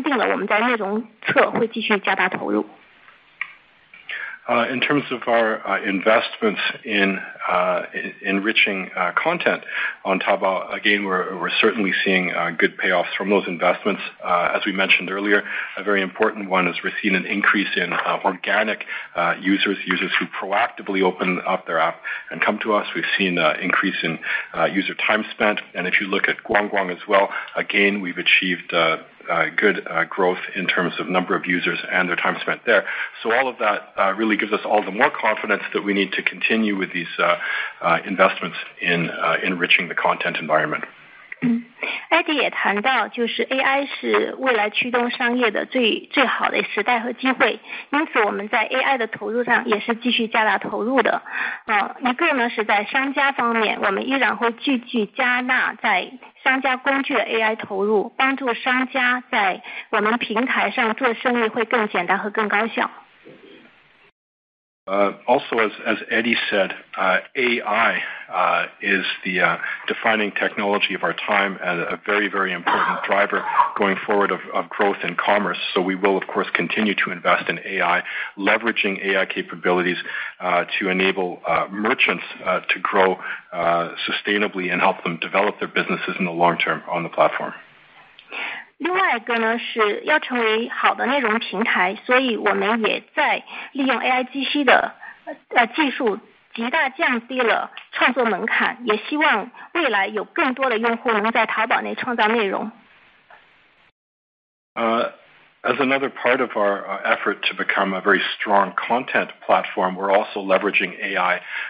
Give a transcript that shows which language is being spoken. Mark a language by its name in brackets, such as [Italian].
[Chinese] 然后在内容投资上面，我们也看到，在内容投资所带来的好处，就是我刚才提到的，用主动打开的用户是在增长的，然后我们的用户时长是在增长的，包括逛逛的用户及用户时长也都在增长的，这家更加坚定了我们在内容侧会继续加大投入。 [English] In terms of our investments in enriching content on Taobao, again, we're certainly seeing good payoffs from those investments. As we mentioned earlier, a very important one is we're seeing an increase in organic users who proactively open up their app and come to us. We've seen an increase in user time spent. And if you look at Guangguang as well, again, we've achieved good growth in terms of number of users and their time spent there. So all of that really gives us all the more confidence that we need to continue with these investments in enriching the content environment. [Chinese] Eddie 也谈到，就是 AI 是未来驱动商业的最好的时代和机会，因此我们在 AI 的投入上也是继续加大投入的。一个呢是在商家方面，我们依然会继续加大在商家工具 AI 投入，帮助商家在我们平台上做生意会更简单和更高效。 [English] Also, as Eddie said, AI is the defining technology of our time and a very, very important driver going forward of growth in commerce. So we will, of course, continue to invest in AI, leveraging AI capabilities to enable merchants to grow sustainably and help them develop their businesses in the long term on the platform. [Chinese] 另外一个呢，是要成为好的内容平台，所以我们也在利用 AI 机器的技术，极大降低了创作门槛，也希望未来有更多的用户能在淘宝内创造内容。 [English] As another part of our effort to become a very strong content platform, we're also leveraging AI.